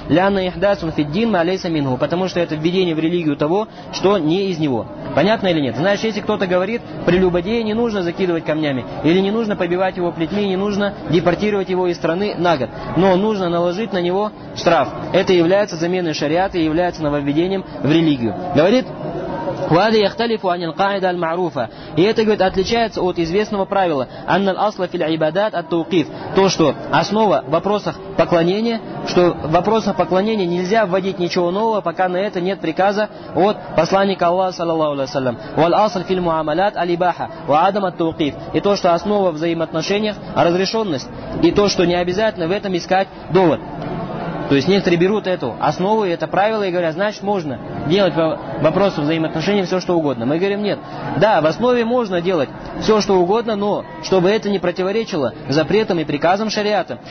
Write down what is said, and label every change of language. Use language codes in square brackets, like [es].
[ar] «Лянна ихдасун фиддин ма алейса мингу». [ru] Потому что это введение в религию того, что не из него. Понятно или нет? Знаешь, если кто-то говорит, прелюбодея не нужно закидывать камнями, или не нужно побивать его плетьми, не нужно депортировать его из страны на год, но нужно наложить на него штраф. Это является заменой шариата и является нововведением в религию. [ar] Говорит, وهذا يختلف عن القاعدة المعروفة. [ru] И это, говорит, отличается от известного правила, [ar] أن الأصل في العبادات التوقيف. [ru] То, что основа в вопросах поклонения, что в вопросах поклонения нельзя вводить ничего нового, пока на это нет приказа от посланника Аллаха, саллаллаху алейхи ва саллям. [ar] والأصل في المعاملات الإباحة وعدم التوقيف. [ru] И то, что основа в взаимоотношениях разрешенность, и то, что не обязательно в этом искать довод. То есть некоторые берут эту основу и это правило и говорят, значит, можно делать по вопросу взаимоотношений все, что угодно. Мы говорим, нет. Да, в основе можно делать все, что угодно, но чтобы это не противоречило запретам и приказам шариата.